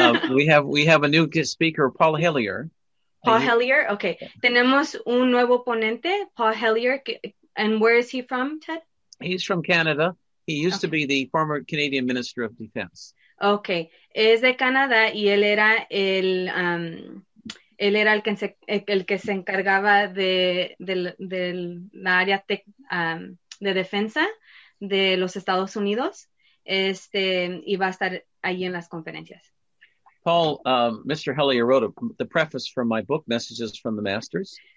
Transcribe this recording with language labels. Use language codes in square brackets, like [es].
[en] we have a new guest speaker, Paul Hellyer. [es] Paul Hellyer? Okay. Tenemos un nuevo ponente, Paul Hellyer. [en] And where is he from, Ted? He's from Canada. He used to be the former Canadian minister of defense. [es] Okay. Es de Canadá y él era el... Él era el que se encargaba de la área de defensa de los Estados Unidos, y va a estar ahí en las conferencias. [en] Paul, Mr. Hellyer wrote the preface for my book, Messages from the Masters.